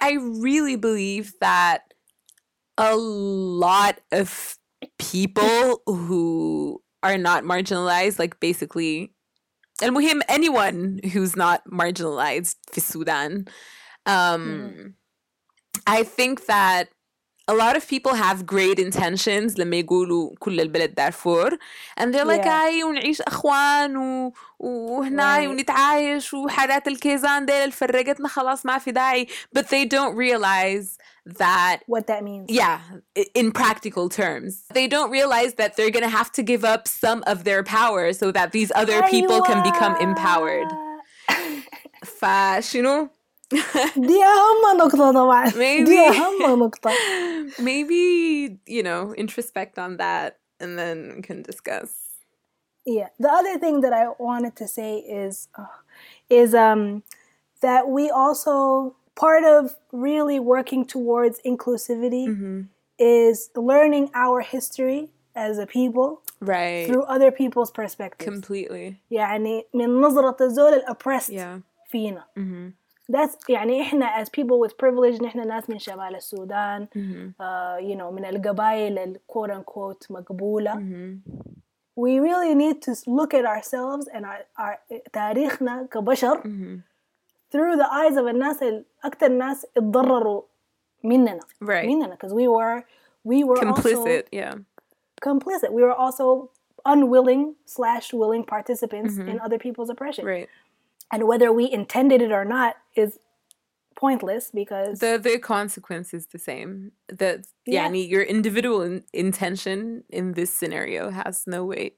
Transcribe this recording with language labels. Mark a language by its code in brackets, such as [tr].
[en] I really believe that a lot of people who are not marginalized, like basically... And muhim, anyone who's not marginalized in Sudan. I think that a lot of people have great intentions [ar] لما يقولوا كل البلد دارفور, [en] and they're like, yeah. [ar] أي ونعيش أخوان وهنا [en] right. [ar] ونتعايش وحالات الكيزان ديل الفرقتنا خلاص ما في داعي, [en] but they don't realize that what that means. Yeah, in practical terms, they don't realize that they're gonna have to give up some of their power so that these other people can become empowered. [ar] فشنو دي أهم نقطة طبعاً. [en] Maybe. [ar] دي أهم نقطة. [en] Maybe, you know, introspect on that and then we can discuss. Yeah. The other thing that I wanted to say is that we also, part of really working towards inclusivity mm-hmm. is learning our history as a people. Right. Through other people's perspectives. Completely. [ar] يعني من نظرة الزول الأبرست [en] yeah. [ar] فينا. [en] Mm-hmm. That's [ar] يعني إحنا [en] as people with privilege [ar] نحنا ناس من شمال السودان, [en] mm-hmm. You know, [ar] من القبائل ال [en] quote unquote [ar] مقبولة. [en] Mm-hmm. We really need to look at ourselves and our [ar] تاريخنا كبشر [en] mm-hmm. through the eyes of [ar] الناس الأكثر ناس اتضرروا مننا. [en] Right. [ar] مننا, [en] because we were complicit. Also yeah. Complicit. We were also unwilling / willing participants mm-hmm. in other people's oppression. Right. And whether we intended it or not is pointless, because the consequence is the same. That yeah. [ar] يعني [en] your individual intention in this scenario has no weight.